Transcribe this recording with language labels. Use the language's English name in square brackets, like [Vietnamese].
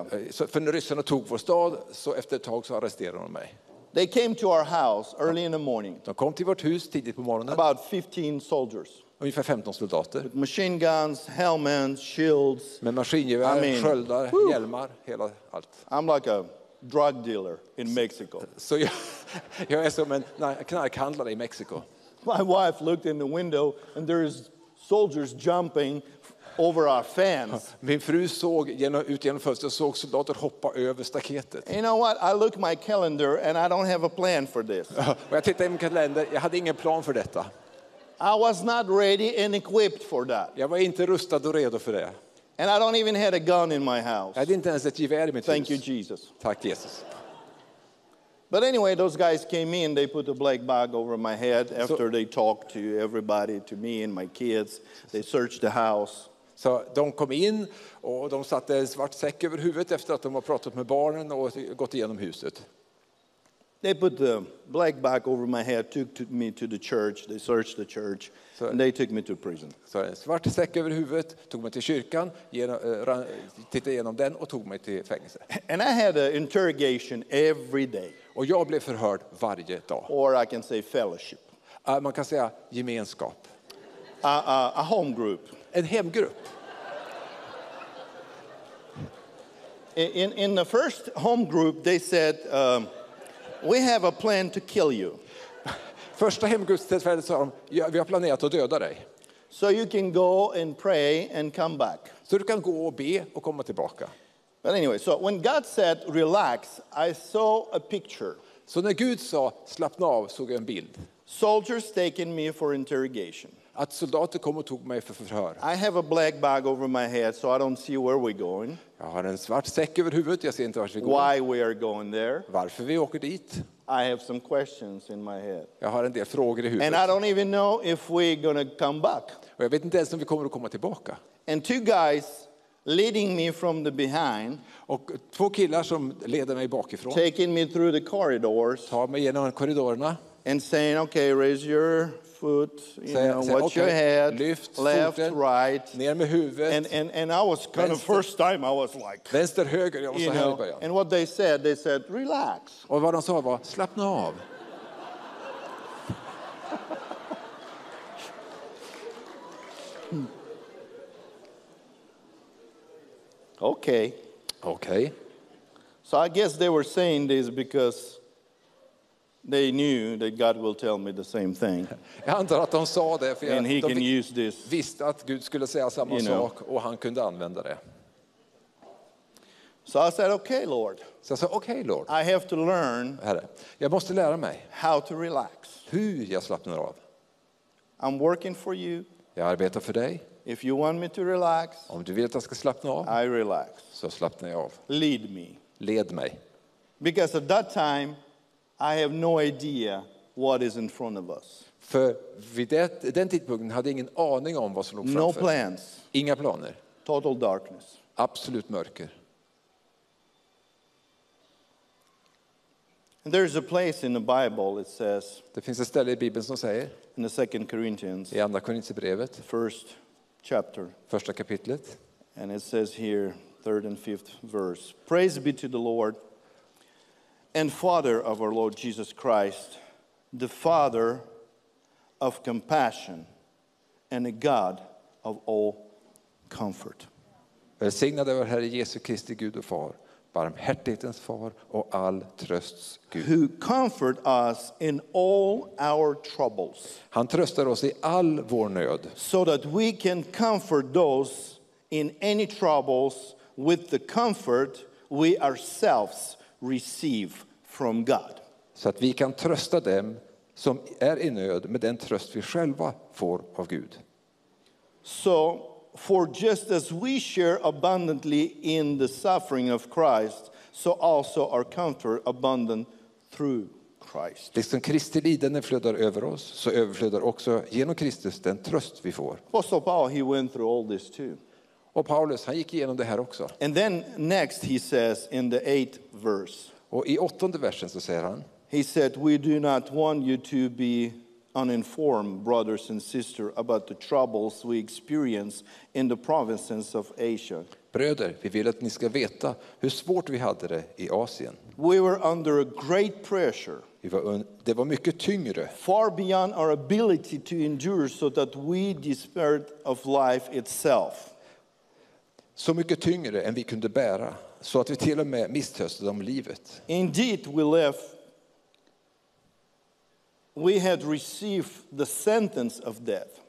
[Swedish] Så för när ryssarna tog vår stad, så efter ett tag så arresterade de mig. [English] They came to our house early in the morning. [Swedish] De kom till vårt hus tidigt på morgonen. [English] About 15 soldiers. [Swedish] Ungefär 15 soldater. [English] With machine guns, helmets, shields. [Swedish] Med maskingevär, sköldar, hjälmar, hela allt. [English] I'm like a drug dealer in Mexico. [Swedish] Så jag är som en knarkhandlare i Mexiko. [English] My wife looked in the window and there is soldiers jumping over our fans. [Swedish] Min fru såg ut genom fönstret, såg soldater hoppa över staketet. [English] You know what? I look my calendar and I don't have a plan for this. [Swedish] Jag tittade i min kalender, jag hade ingen plan för detta. [English] I was not ready and equipped for that. [Swedish] Jag var inte rustad och redo för det. [English] And I don't even had a gun in my house. [Swedish] Jag hade inte ens ett gevär i mitt hus. [English] Thank you, Jesus. [Swedish] Tack Jesus. [English] But anyway, those guys came in, they put a black bag over my head after they talked to everybody, to me and my kids. They searched the house. [Swedish] Så de kom in och de satte en svart säck över huvudet efter att de har pratat med barnen och gått igenom huset. [English] They put the black bag over my head, took me to the church, they searched the church, and they took me to prison. [Swedish] Så en svart säck över huvudet, tog mig till kyrkan, tittade igenom den och tog mig till fängelse. [English] And I had an interrogation every day. [Swedish] Och jag blev förhörd varje dag. [English] Or I can say fellowship. [Swedish] Man kan säga gemenskap. [English] A home group. [Swedish] En hemgrupp. [English] In the first home group they said, we have a plan to kill you. [Swedish] Första hemgruppstillfället sa de, vi har planerat att döda dig. [English] So you can go and pray and come back. [Swedish] Så du kan gå och be och komma tillbaka. [English] But anyway, so when God said relax, I saw a picture. [Swedish] Så när Gud sa slappna av såg jag en bild. [English] Soldiers taking me for interrogation. [Swedish] Att soldater kom och tog mig för förhör. [English] I have a black bag over my head so I don't see where we're going. [Swedish] Jag har en svart säck över huvudet, jag ser inte vart vi går. [English] Why we are going there? [Swedish] Varför vi åker dit? [English] I have some questions in my head. [Swedish] Jag har en del frågor i huvudet. [English] And I don't even know if we're going to come back. [Swedish] Och jag vet inte ens om vi kommer att komma tillbaka. [English] And two guys leading me from the behind. [Swedish] Och två killar som leder mig bakifrån. [English] Taking me through the corridors. [Swedish] Ta mig genom korridorerna. [English] And saying, okay, raise your foot. Watch your head. [Swedish] Lyft [English] left, [Swedish] foten, [English] right. [Swedish] Ner med huvudet. [English] And I was kind of first time I was like. [Swedish] Vänster, höger. Jag var så här. [English] And what they said, relax. [Swedish] Och vad de sa var, slappna av. [English] Okay. So I guess they were saying this because they knew that God will tell me the same thing. [Swedish] Jag antar att de sa det för [English] and he can use this. [Swedish] Visste att Gud skulle säga samma sak, know. Och han kunde använda det. [English] So I said, okay, Lord. [Swedish] Så jag sa, okay, Lord. [English] I have to learn. [Swedish] Herre, jag måste lära mig. [English] How to relax. [Swedish] Hur jag slappnar av. [English] I'm working for you. [Swedish] Jag arbetar för dig. [English] If you want me to relax, [Swedish] om du vill att jag ska slappna av, [English] I relax. [Swedish] Så slappnar jag av. [English] Lead me. [Swedish] Led mig. [English] Because at that time, I have no idea what is in front of us. [Swedish] För vid den tidpunkten hade jag ingen aning om vad som låg framför. [English] No plans. [Swedish] Inga planer. [English] Total darkness. [Swedish] Absolut mörker. [English] And there is a place in the Bible it says. [Swedish] Det finns ett ställe i Bibeln som säger. [English] In the Second Corinthians. [Swedish] I andra Korinthierbrevet. [English] First. Chapter. [Swedish] Första kapitlet. [English] And it says here, third and fifth verse. Praise be to the Lord and Father of our Lord Jesus Christ, the Father of compassion and a God of all comfort. [Swedish] Välsignad är vår Herre Jesus Kristi Gud och far, barmhärtighetens far och all trösts Gud. [English] Who comfort us in all our troubles. [Swedish] Han tröstar oss i all vår nöd. [English] So that we can comfort those in any troubles with the comfort we ourselves receive from God. [Swedish] Så att vi kan trösta dem som är i nöd med den tröst vi själva får av Gud. [English] So, for just as we share abundantly in the suffering of Christ, so also our comfort abundant through Christ. [Swedish] Liksom Kristi lidande flödar över oss, så överflödar också genom Kristus den tröst vi får. [English] Apostle Paul, he went through all this too. [Swedish] Och Paulus, han gick igenom det här också. [English] And then next he says in the 8th verse. [Swedish] Och i åttonde versen så säger han. [English] He said, we do not want you to be uninformed, brothers and sisters, about the troubles we experience in the provinces of Asia. [Swedish] Bröder, vi vill att ni ska veta hur svårt vi hade det i Asien. [English] We were under a great pressure. [Swedish] Det var mycket tyngre. [English] Far beyond our ability to endure, so that we despaired of life itself. [Swedish] Så mycket tyngre än vi kunde bära, så att vi till och med misströstade om livet. [English] Indeed, we left. We had received the sentence of death.